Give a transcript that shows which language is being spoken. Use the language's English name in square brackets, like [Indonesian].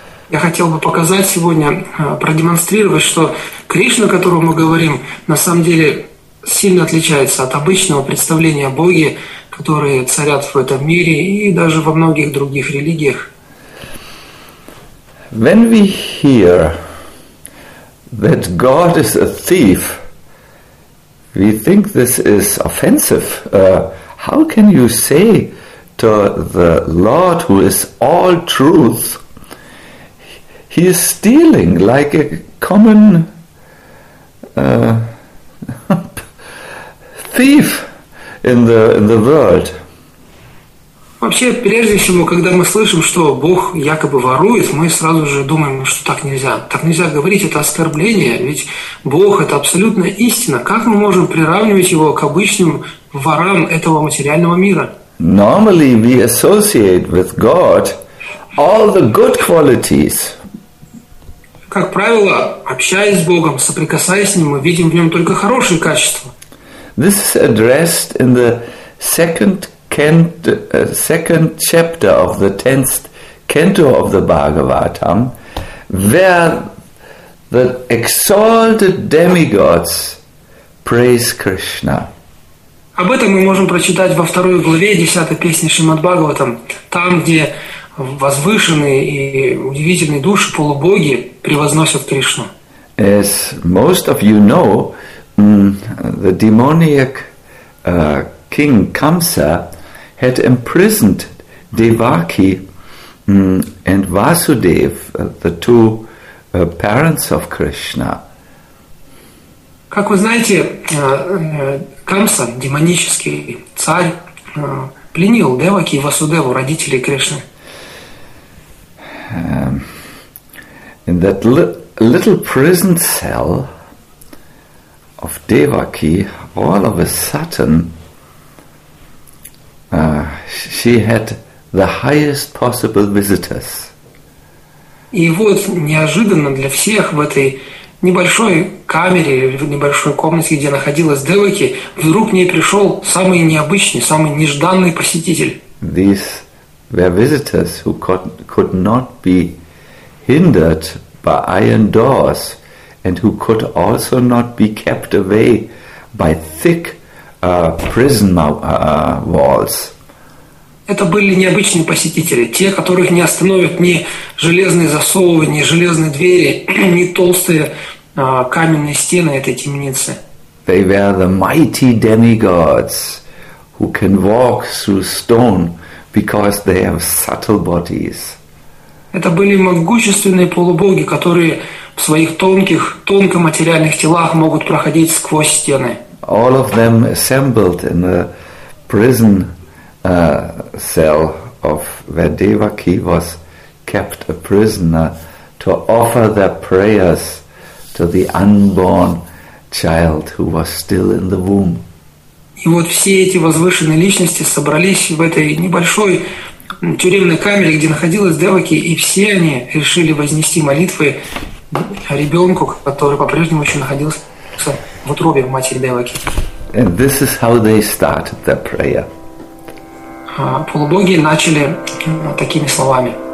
[Russian] Я хотел бы показать сегодня, продемонстрировать, что Кришна, о котором мы говорим, на самом деле сильно отличается от обычного представления о Боге, которые царят в этом мире и даже во многих других религиях. [English] When we hear that God is a thief, we think this is offensive. How can you say to the Lord, who is all truth, he is stealing like a common thief in the world? [Russian] Вообще, прежде всего, когда мы слышим, что Бог якобы ворует, мы сразу же думаем, что так нельзя. Так нельзя говорить, это оскорбление, ведь Бог – это абсолютная истина. Как мы можем приравнивать его к обычным ворам этого материального мира? [English] Normally we associate with God all the good qualities. [Russian] Как правило, общаясь с Богом, соприкасаясь с Ним, мы видим в Нем только хорошие качества. [English] This is addressed in the second chapter of the 10th canto of the Bhagavatam, where the exalted demigods praise Krishna. [Russian] Об этом мы можем прочитать во второй главе 10-й песни Шримад-Бхагаватам, там, где возвышенные и удивительные души, полубоги, превозносят Кришну. [English] As most of you know, the demoniac king Kamsa had imprisoned Devaki and Vasudev, the two parents of Krishna. [Russian] Как вы знаете, Камса, демонический царь, пленил Деваки и Васудеву, родителей Кришны. [English] In that little prison cell of Devaki, all of a sudden, she had the highest possible visitors. [Russian] И вот неожиданно для всех в этой небольшой камере, в небольшой комнате, где находилась Деваки, вдруг к ней пришел самый необычный, самый нежданный посетитель. [English] These were visitors who could not be hindered by iron doors and who could also not be kept away by thick prison walls. [Russian] Это были необычные посетители, те, которых не остановят ни железные засовы, ни железные двери, ни толстые каменные стены этой темницы. [English] They were the mighty demigods who can walk through stone because they have subtle bodies. [Russian] Это были могущественные полубоги, которые в своих тонких, тонкоматериальных телах могут проходить сквозь стены. [English] All of them assembled in a prison cell of where Devaki was kept a prisoner to offer their prayers to the unborn child who was still in the womb. [Russian] И вот все эти возвышенные личности собрались в этой небольшой тюремной камере, где находилась Деваки, и все они решили вознести молитвы ребенку, который по-прежнему еще находился в утробе матери Деваки. [English] And this is how they started their prayer. [Russian] Полубоги начали такими словами.